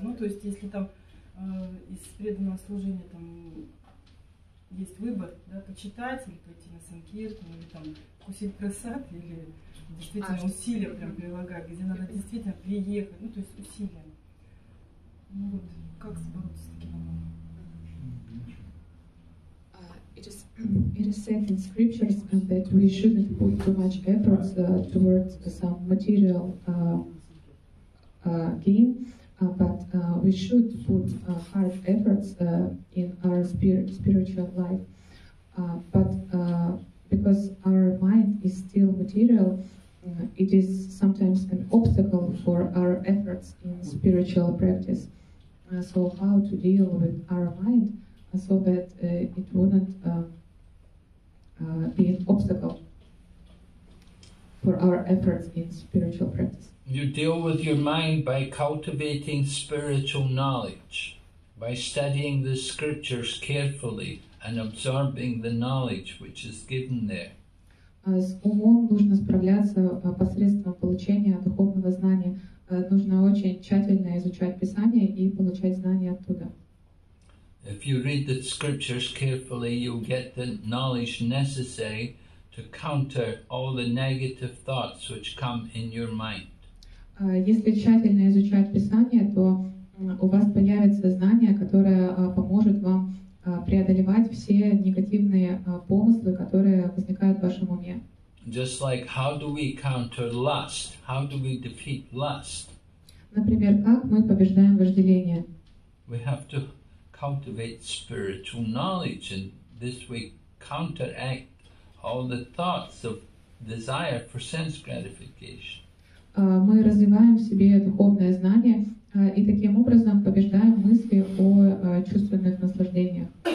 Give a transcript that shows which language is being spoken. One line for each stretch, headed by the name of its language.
Russian: Ну то есть если там из преданного служения там есть выбор, да, почитать или пойти на санкиртан, или там кусить просад, или действительно усилия прям прилагать, где надо действительно приехать. Ну то есть усилия. Ну вот как бороться с таким образом?
English: It is said in scriptures that we shouldn't put too much efforts towards some material gain, but we should put hard efforts in our spiritual life. But because our mind is still material, it is sometimes an obstacle for our efforts in spiritual practice. So how to deal with our mind so that it wouldn't be an obstacle for our efforts in spiritual practice. You deal with your mind by cultivating spiritual knowledge, by studying the scriptures carefully and absorbing the knowledge which is given there.
Russian: С умом нужно справляться посредством получения духовного знания. Нужно очень тщательно изучать Писание и получать знания оттуда.
English: If you read the scriptures carefully, you'll get the knowledge necessary to counter all the negative thoughts which come in your mind.
Russian: Если тщательно изучать Писание, то у вас появится знание, которое поможет вам преодолевать все негативные помыслы, которые возникают в вашем уме.
English: Just like, how do we counter lust? How do we defeat lust?
Russian: Например, как мы побеждаем вожделение?
English: We have to cultivate spiritual knowledge, and this way counteract all the thoughts of desire for sense gratification.
Russian: Мы развиваем в себе духовное знание, и таким образом побеждаем мысли о чувственных наслаждениях.